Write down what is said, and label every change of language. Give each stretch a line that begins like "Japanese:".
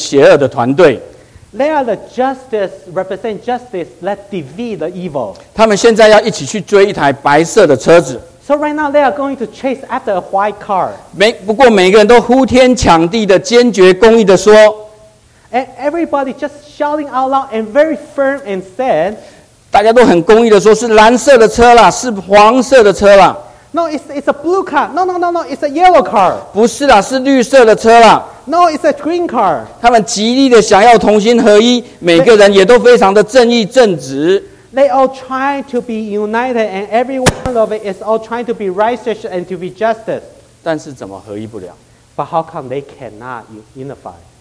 Chinese: 是有如同现在的正义联盟。好，他们是一个正义战胜邪恶的团队。
English: They are the justice, represent justice, let defeat the evil.
Chinese: 他们现在要一起去追一台白色的车子。So
English: right now, they are going to chase after a white car.
Chinese: 不过每个人都呼天抢地的坚决公义的说。
English: And everybody just shouting out loud and very firm and said,
Chinese: 大家都很公义的说，是蓝色的车啦，是黄色的车啦。
English: No, it's a blue car. No, it's a yellow car.
Chinese: 不是啦，是绿色的车啦。
English: No, it's a green car.
Chinese: 他们极力的想要同心合一，每个人也都非常的正义正直。
English: They all trying to be united and every one of it is all trying to be righteous and to be justice.
Chinese: 但是怎么合一不了？
English: But how come they cannot unify?